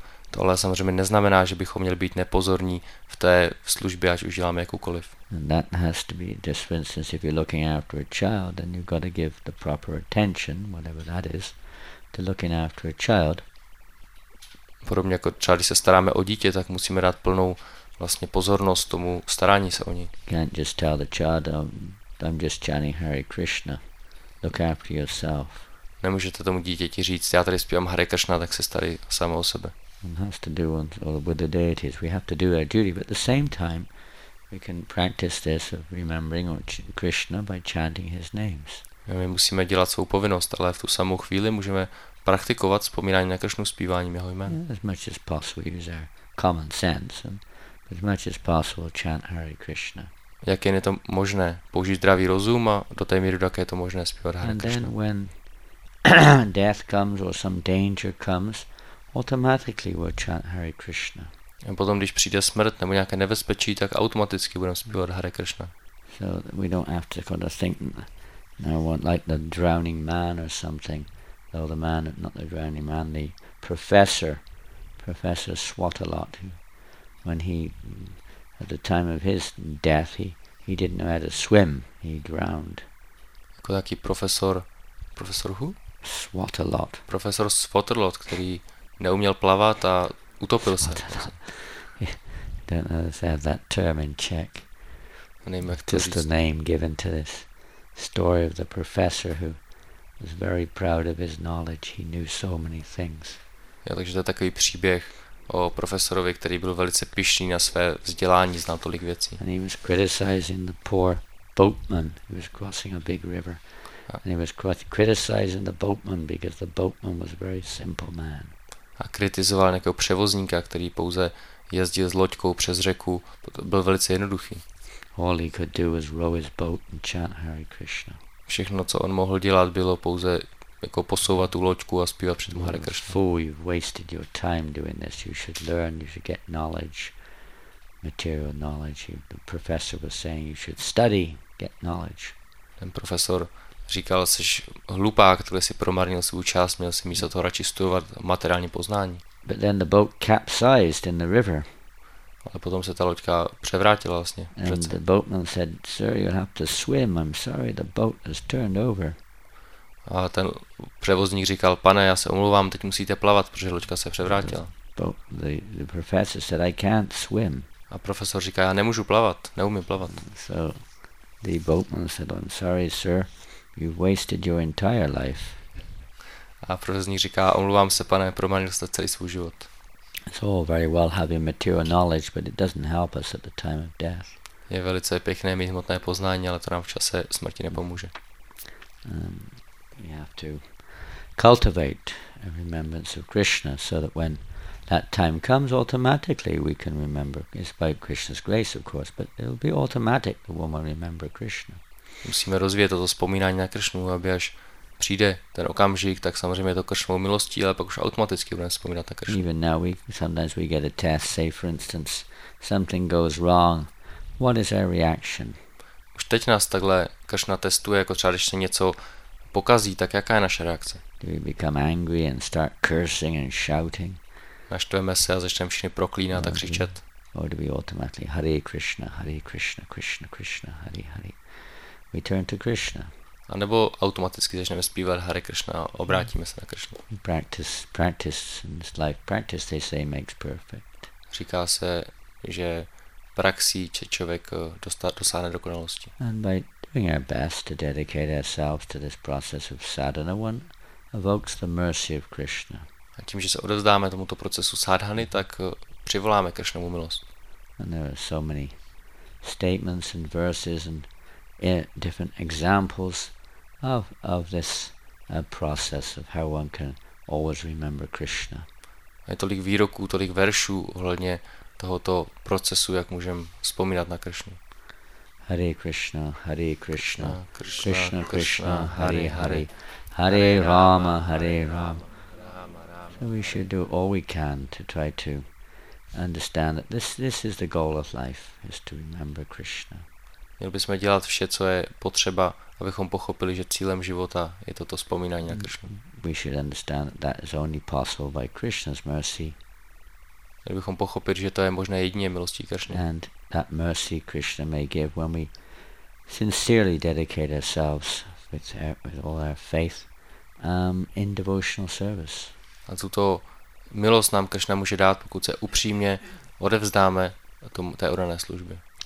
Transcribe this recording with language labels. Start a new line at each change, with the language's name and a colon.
Czech: To ale samozřejmě neznamená, že bychom měli být nepozorní v té službě, ať už děláme jakoukoliv.
English: And that has to be just for instance if you're looking after a child, then you've got to give the proper attention, whatever that is, to looking after a child.
Czech: Podobně jako třeba, když se staráme o dítě, tak musíme dát plnou vlastně pozornost tomu starání se o ní.
English: Can't just tell the child, I'm just chanting Hare Krishna. Look after yourself.
Czech: Nemůžete tomu dítěti říct, já tady zpívám Hare Krishna, tak se starej sama o sebe.
English: It has to do with the deities. We have to do our duty, but at the same time, we can practice this of remembering Krishna by chanting his names.
Czech: My musíme dělat svou povinnost, ale v tu samou chvíli můžeme praktikovat vzpomínání na Krishnu zpíváním jeho jména.
English: As much as possible, use our common sense and As much as possible chant Hare Krishna.
Czech: Jak je to možné použít zdravý rozum a do té míry, jak je to možné zpívat Hare
English: Krishna. And then when death comes or some danger comes, automatically we'll chant Hare Krishna.
Czech: A potom, když přijde smrt nebo nějaké nebezpečí, tak automaticky budeme zpívat Hare Krishna.
English: So we don't have to kind of think, now what, like the drowning man or something. Though the man, not the drowning man, the professor Swatalot, when he, at the time of his death, he didn't know how to swim. He drowned.
Czech: Jako taký profesor
English: who? Swatalot.
Czech: Profesor Swatalot, který neuměl plavat a utopil se.
English: Don't know if they have that term in Czech. Just a name given to this story of the professor who was very proud of his knowledge. He knew so many things.
Czech: Ja, takže to je takový příběh o profesorovi, který byl velice pyšný na své vzdělání, znal tolik věcí.
English: And he was criticizing the poor boatman who was crossing a big river. And he was criticizing the boatman because the boatman was a very simple man.
Czech: A kritizoval nějakého převozníka, který pouze jezdil s loďkou přes řeku, byl velice jednoduchý.
English: All he could do was row his boat and chant Hare Krishna.
Czech: Všechno, co on mohl dělat, bylo pouze jako posouvat tu loďku a zpívat před tím Hare Krishna.
English: Fool, you've wasted your time doing this. You should learn, you should get knowledge, material knowledge. The professor was saying you should study, get knowledge.
Czech: Ten profesor říkal, jsi hlupák, který si promarnil svůj čas, měl si místo toho radši studovat materiální poznání.
English: But then the boat capsized in the river.
Czech: Ale potom se ta loďka převrátila vlastně.
English: And the boatman said, "Sir, you have to swim. I'm sorry, the boat has turned over."
Czech: A ten převozník říkal, pane, já se omlouvám, teď musíte plavat, protože loďka se převrátila.
English: The professor said, "I can't swim."
Czech: A profesor říká, já nemůžu plavat, neumím plavat.
English: So the boatman said, "I'm sorry, sir, you've wasted your entire life."
Czech: A profesor říká, omlouvám se, pane, promarnil jste celý svůj život.
English: It's all very well having material knowledge, but it doesn't help us at the time of death.
Czech: Je velice pěkné mít hmotné poznání, ale to nám v čase smrti nepomůže.
English: We have to cultivate a remembrance of Krishna so that when that time comes, automatically we can remember. It's by Krishna's grace, of course, but it'll be automatic the woman remember Krishna.
Czech: Musíme rozvíjet toto vzpomínání na Krishnu, aby až přijde ten okamžik, tak samozřejmě je to Kršnovou milostí, ale pak už automaticky budeme vzpomínat na Kršnu.
English: Even now sometimes we get a test, say for instance, something goes wrong. What is our reaction?
Czech: Už teď nás takhle Kršna testuje, jako třeba když se něco pokazí, tak jaká je naše reakce?
English: Do we become angry and start cursing and shouting?
Czech: Naštveme se a začneme všichni proklínat a křičet?
English: Or do we automatically, Hare Krishna, Hare Krishna, Krishna Krishna, Hare Hare. We turn to Krishna.
Czech: A nebo automaticky začneme zpívat Hare Krishna a obrátíme se na Krishnu.
English: Practice in this life. Practice, they say, makes perfect.
Czech: Říká se, že praxí člověk dosáhne dokonalosti.
English: And by doing our best to dedicate ourselves to this process of sadhana, one evokes the mercy of Krishna.
Czech: A tím, že se odevzdáme tomuto procesu sadhany, tak přivoláme Krishnovu milost.
English: And there are so many statements and verses and different examples of this process of how one can always remember Krishna.
Czech: Je tolik výroků, tolik veršů ohledně tohoto procesu, jak můžeme vzpomínat na Krishnu.
Sanskrit: Hare Krishna, Hare Krishna, Krishna Krishna, Hare Hare, Hare Rama, Hare Rama.
English: So we should do all we can to try to understand that this is the goal of life, is to remember Krishna.
Czech: Měli bychom dělat vše, co je potřeba, abychom pochopili, že cílem života je toto vzpomínání na Krishnu.
English: We should understand that is only possible by Krishna's mercy.
Czech: Měli bychom pochopit, že to je možné jedině milostí Krishny.
English: And that mercy Krishna may give when we sincerely dedicate ourselves with all our faith in devotional service.
Czech: A tuto milost nám Krishna může dát, pokud se upřímně odevzdáme tomu té odané službě.